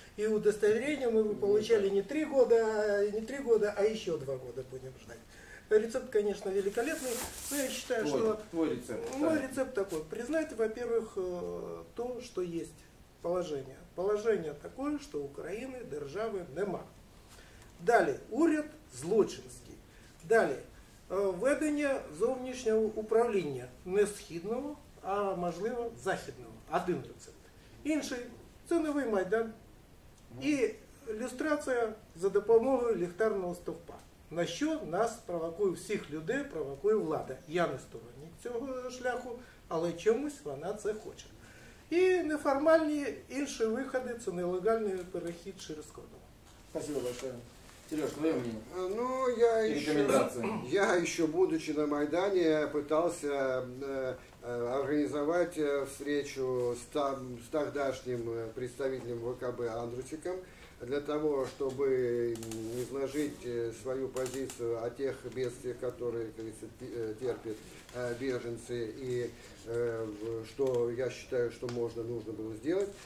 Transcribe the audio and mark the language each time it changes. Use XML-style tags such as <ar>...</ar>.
<ru>И удостоверение мы бы получали не три года, а еще два года будем ждать. Рецепт, конечно, великолепный, но я считаю, твой, что... Твой рецепт. Мой рецепт такой. Признать, во-первых, то, что есть положение. Положение такое, что Украины</ru> <uk>державы нема.</uk> <ru>Далее.</ru> <uk>Уряд злочинский. Далее. Введення зовнішнього управління не східного, а можливо західного. Один рецепт. Інший – це новий Майдан і люстрація за допомогою ліхтарного стовпа. На що нас провокує всіх людей, провокує влада. Я не сторонник цього шляху, але чомусь вона це хоче. І неформальні інші виходи – це нелегальний перехід через кордон.</uk> <ru>Спасибо большое. Сереж, твоё мнение? Ну, я еще, будучи на Майдане, пытался организовать встречу с тогдашним представителем ВКБ Андрусиком для того, чтобы изложить свою позицию о тех бедствиях, которые, как говорится, терпят беженцы, и что я считаю, что можно, нужно было сделать.</ru>